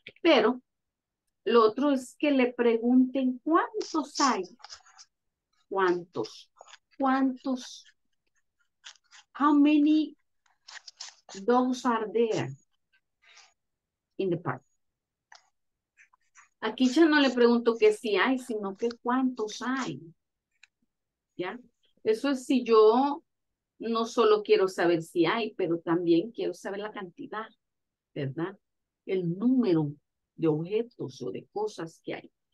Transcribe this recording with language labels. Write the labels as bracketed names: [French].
[Spanish] Pero lo otro es que le pregunten cuántos hay. ¿Cuántos? ¿Cuántos? [English] How many dogs are there in the park? [Spanish] Aquí ya no le pregunto que si hay, sino que cuántos hay. ¿Ya? Eso es si yo no solo quiero saber si hay, pero también quiero saber la cantidad, ¿verdad? El número de objetos o de cosas que hay.